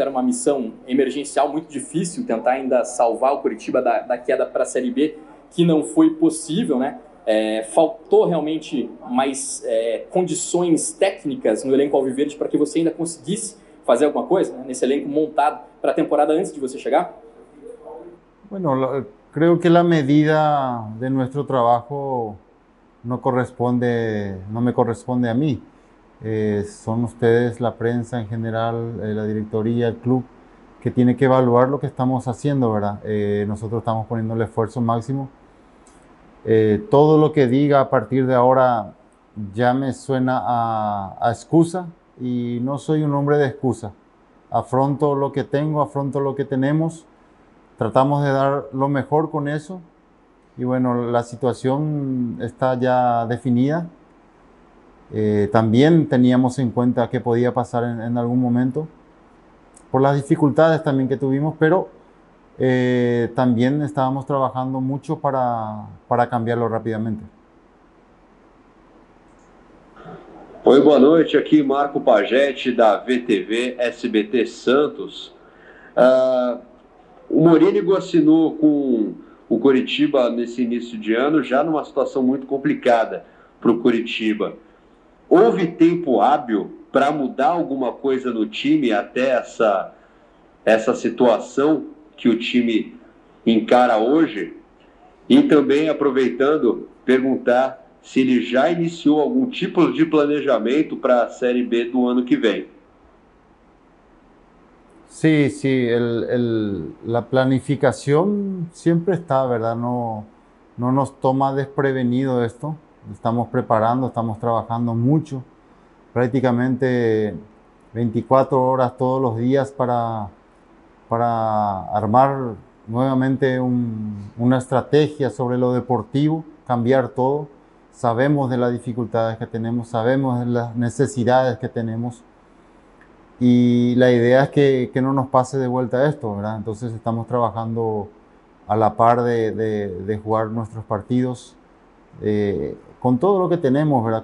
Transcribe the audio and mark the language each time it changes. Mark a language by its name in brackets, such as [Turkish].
[Portuguese] Era uma missão emergencial muito difícil, tentar ainda salvar o Curitiba da queda para a Série B, que não foi possível, né? Faltou realmente mais condições técnicas no elenco alviverde para que você ainda conseguisse fazer alguma coisa, né, nesse elenco montado para a temporada antes de você chegar? [Spanish] Creo que la medida de nuestro trabajo no me corresponde a mí. Son ustedes, la prensa en general, la directoría, el club, que tiene que evaluar lo que estamos haciendo, ¿verdad? Nosotros estamos poniendo el esfuerzo máximo. Todo lo que diga a partir de ahora ya me suena a excusa y no soy un hombre de excusa. Afronto lo que tengo, afronto lo que tenemos. Tratamos de dar lo mejor con eso y bueno, la situación está ya definida. También teníamos en cuenta que podía pasar en algún momento por las dificultades también que tuvimos, pero también estábamos trabajando mucho para cambiarlo rápidamente. [Portuguese] Oi, boa noite, aqui Marco Pagetti da VTV SBT Santos. O Morínigo assinou com o Curitiba nesse início de ano, já numa situação muito complicada para o Curitiba. Houve tempo hábil para mudar alguma coisa no time até essa situação que o time encara hoje? E também, aproveitando, perguntar se ele já iniciou algum tipo de planejamento para a Série B do ano que vem. Sim, sim, a planificação sempre está, verdade? Não, não nos toma desprevenido isto. Estamos preparando, estamos trabalhando muito, praticamente 24 horas todos os dias para armar novamente uma estratégia [Spanish] sobre o deportivo, cambiar todo. Sabemos de las dificultades que tenemos, sabemos de las necesidades que tenemos y la idea es que no nos pase de vuelta esto, ¿verdad? Entonces estamos trabajando a la par de jugar nuestros partidos con todo lo que tenemos, ¿verdad?